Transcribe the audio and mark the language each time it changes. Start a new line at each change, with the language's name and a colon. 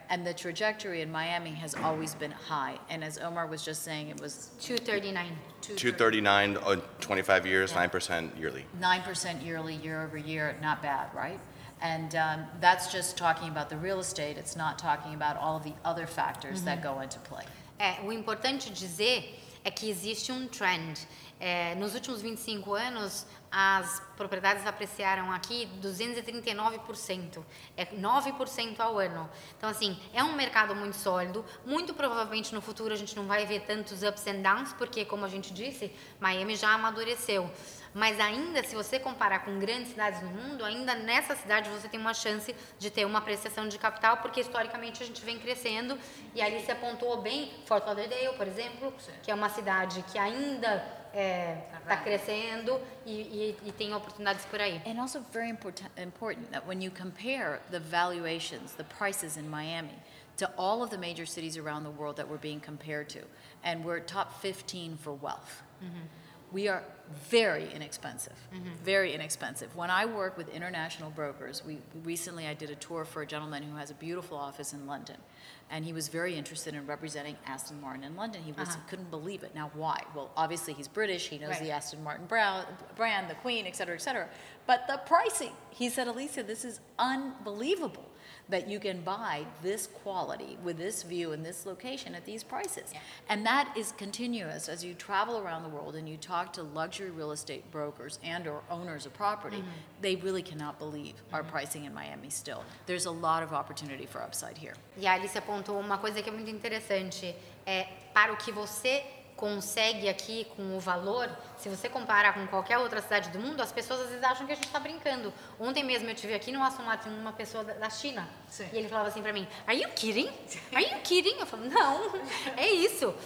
English: And the trajectory in Miami has always been high. And as Omar was just saying, it was 239 on 25 years, yeah. 9% yearly. 9% yearly, year over year, not bad, right? And that's just talking about the real estate. It's not talking about all of the other factors mm-hmm. that go into play.
Portuguese: O importante dizer é que existe trend. Nos últimos 25 anos, as propriedades apreciaram aqui 239%, é 9% ao ano. Então, assim, é mercado muito sólido, muito provavelmente no futuro a gente não vai ver tantos
English: ups and downs,
Portuguese: porque, como a gente disse, Miami já amadureceu. Mas ainda, se você comparar com grandes cidades no mundo, ainda nessa cidade você tem uma chance de ter uma apreciação de capital, porque historicamente a gente vem crescendo, e ali se apontou bem Fort Lauderdale, por exemplo, que é uma cidade que ainda... está crescendo e tem oportunidades por aí.
English: And also very important that when you compare the valuations, the prices in Miami to all of the major cities around the world that we're being compared to, and we're top 15 for wealth, mm-hmm. we are very inexpensive, mm-hmm. very inexpensive. When I work with international brokers, I did a tour for a gentleman who has a beautiful office in London, and he was very interested in representing Aston Martin in London. He was, uh-huh. couldn't believe it. Now, why? Well, obviously, he's British. He knows right. the Aston Martin brand, the Queen, et cetera, et cetera. But the pricing, he said, Alicia, this is unbelievable that you can buy this quality with this view and this location at these prices. Yeah. And that is continuous as you travel around the world and you talk to luxury real estate brokers and or owners of property, mm-hmm. they really cannot believe mm-hmm. our pricing in Miami still. There's a lot of opportunity for upside here.
Portuguese: E a Alice apontou uma coisa que é muito interessante. Para o que você consegue aqui com o valor, se você comparar com qualquer outra cidade do mundo, as pessoas às vezes acham que a gente está brincando. Ontem mesmo eu estive aqui no Aston Martin uma pessoa da China. Sim. E ele falava assim para mim,
English: Are you kidding?
Portuguese: Eu falo, não, é isso.